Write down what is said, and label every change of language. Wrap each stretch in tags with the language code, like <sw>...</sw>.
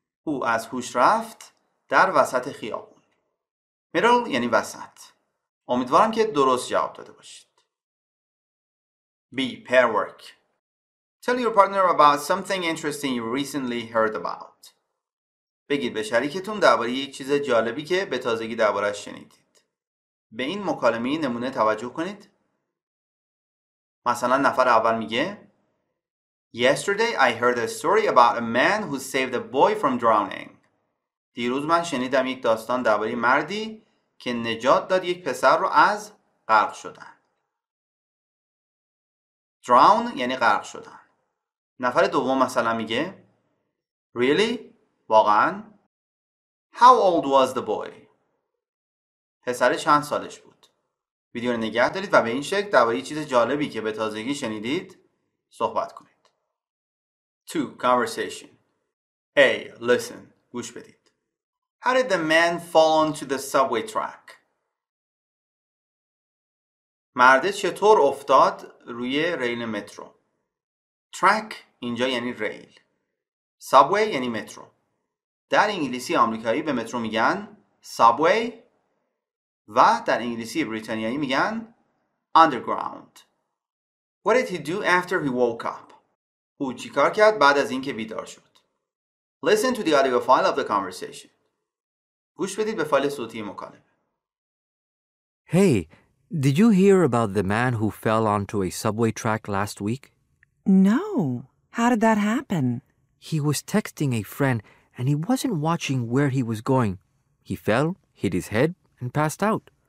<fa>او از هوش رفت در وسط خیابون. Middle یعنی وسط. امیدوارم که درست جواب داده باشید.</fa> <en>B. Pair work. Tell your partner about something interesting you recently heard about.</en> <fa>بگید به شریکتون درباره یک چیز جالبی که به تازگی درباره‌اش شنیدید. به این مکالمه نمونه توجه کنید. مثلا نفر اول میگه</fa> <en>Yesterday I heard a story about a man who saved a boy from drowning.</en> <fa>دیروز من شنیدم یک داستان درباره مردی که نجات داد یک پسر رو از غرق شدن. Drown یعنی غرق شدن. نفر دوم مثلا میگه</fa> <en>Really?</en> <fa>واقعا؟</fa> <en>How old was the boy?</en> <fa>پسر چند سالش بود؟ ویدیو رو نگه دارید و به این شکل درباره یه چیز جالبی که به تازگی شنیدید صحبت کنید.</fa> <en>2. Conversation. A. Listen.</en> <fa>گوش بدید.</fa> <en>How did the man fall onto the subway track?</en> <fa>مرد چطور افتاد روی ریل مترو؟ Track اینجا یعنی ریل. Subway یعنی مترو. در انگلیسی آمریکایی به مترو میگن subway و در انگلیسی بریتانیایی میگن underground.</fa> <en>What did he do after he woke up?</en> <fa>او چیکار کرد بعد از اینکه بیدار شد؟</fa> <en>Listen to the audio file of the conversation.</en> <fa>گوش بدید به فایل صوتی مکالمه.</fa> <en>Hey, did you hear about the man who fell onto a subway track last week? No. How did that happen? He was texting a friend and he wasn't watching where he was going. He fell, hit his head, and passed out.</en>